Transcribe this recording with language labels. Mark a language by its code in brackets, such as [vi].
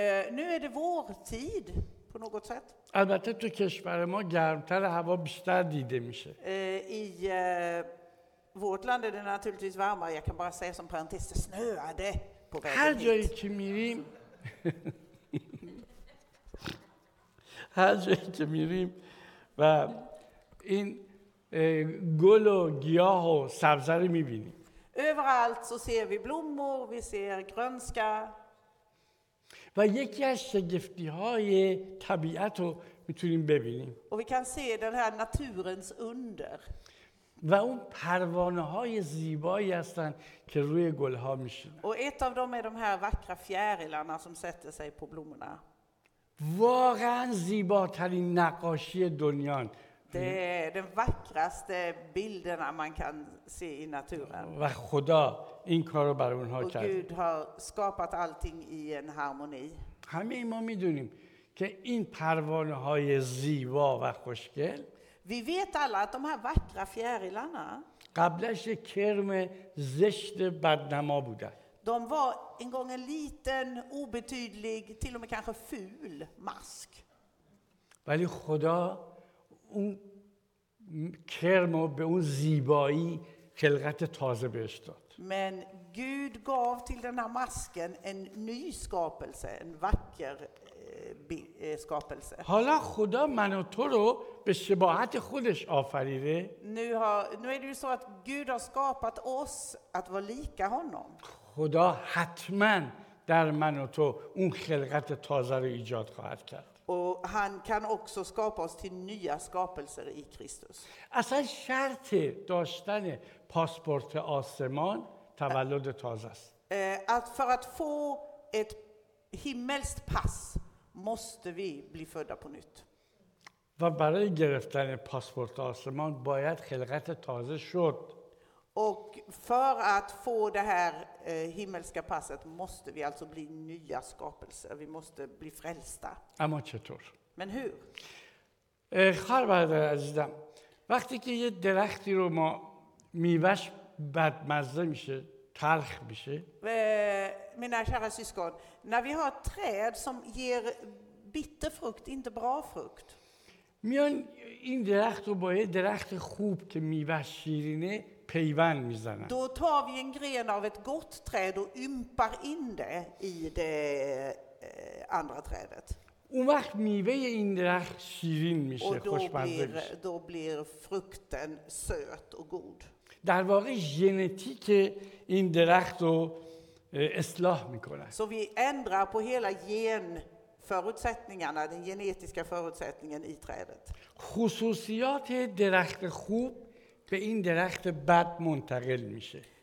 [sv] Nu är det vårtid på något sätt. [fa] Albatte to keshvar ma garmtar hava bishtar dide mishe. [sv] I vårt land är det naturligtvis varmare. Jag kan bara säga som parentes, det snöade på vägen. [fa] Har jag ki mirim? هر جایی که میریم و این گل و گیاه و سبز رو میبینیم. [sv] Överallt så ser vi blommor, vi ser grönska. [fa] و یکی از شگفتی‌های طبیعت رو میتونیم ببینیم. [sv] Och vi kan se den här naturens under. [fa] و اون پروانه‌های زیبایی هستن که روی گل‌ها میشینن. [sv] Och ett av dem är de här vackra fjärilarna som sätter sig på blommorna. [fa] واقعا زیباترین نقاشی دنیا. [sv] Den vackraste bilderna man kan se i naturen. [fa] و خدا این کارو بر اونها کرد. [sv] Gud har skapat allting i en harmoni. [fa] همه ما میدونیم که این پروانه های زیبا و خوشگل. [sv] Vi vet alla att de här vackra fjärilarna. [fa] قبلش کرم زشت بدنما بودن. [sv] De var en gång en liten, obetydlig, till och med kanske ful mask. [fa] ولی خدا اون کرم و به اون زیبایی خلقت تازه بهش داد. [sv] Men Gud gav till den här masken en ny skapelse, en vacker skapelse. [fa] حالا خدا من و تو رو به شباهت خودش آفریده. [sv] Nu är det ju så att Gud har skapat oss att vara lika honom. [fa] خدا حتما در من و تو اون خلقت تازه رو ایجاد خواهد کرد. [sv] و han kan också skapa oss till nya skapelser i Kristus. [fa] اصلا شرط داشتن پاسپورت آسمان تولد تازه است. [sv] Att för att få ett himmelskt pass måste vi bli födda på nytt. [fa] و برای گرفتن پاسپورت آسمان باید خلقت تازه شد. [sv] Och för att få det här himmelska passet måste vi alltså bli nya skapelser. Vi måste bli frälsta. [fa] Amma chetor. [sv] Men hur? [fa] خار برادر عزیزم. وقتی که یه درختی رو ما میوه‌ش بدمزه میشه، تلخ میشه. [sv] Mina kära syskon, när vi har ett träd som ger bitter frukt, inte bra frukt. [fa] میان این درخت رو با یه درخت خوب که میوه‌ش شیرینه پیوند میزنن. [sv] Då tar vi en gren av ett gott träd och ympar in det i det andra trädet. [fa] اون وقت میوه این درخت شیرین میشه، خوشمزه میشه. [sv] Då blir frukten söt och god. [fa] در واقع ژنتیک این درخت رو اصلاح میکنه. [sv] Så vi ändrar på hela genförutsättningarna, den genetiska förutsättningen i trädet. [fa] خصوصیات درخت خوب به این درخت بد منتقل میشه.